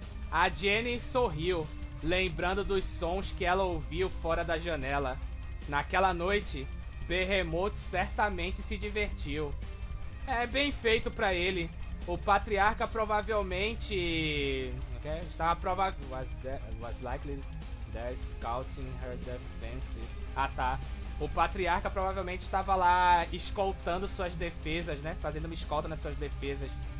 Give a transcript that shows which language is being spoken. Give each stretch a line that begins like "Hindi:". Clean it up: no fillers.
Portuguese: A Jenny sorriu, lembrando dos sons que ela ouviu fora da janela. Naquela noite, Behemoth certamente se divertiu. É bem feito pra ele. O patriarca provavelmente... Okay? Estava provavelmente...
English: Was likely there scouting her defenses.
Portuguese: Ah, tá. O patriarca provavelmente estava lá escoltando suas defesas, né? Fazendo uma escolta nas suas defesas.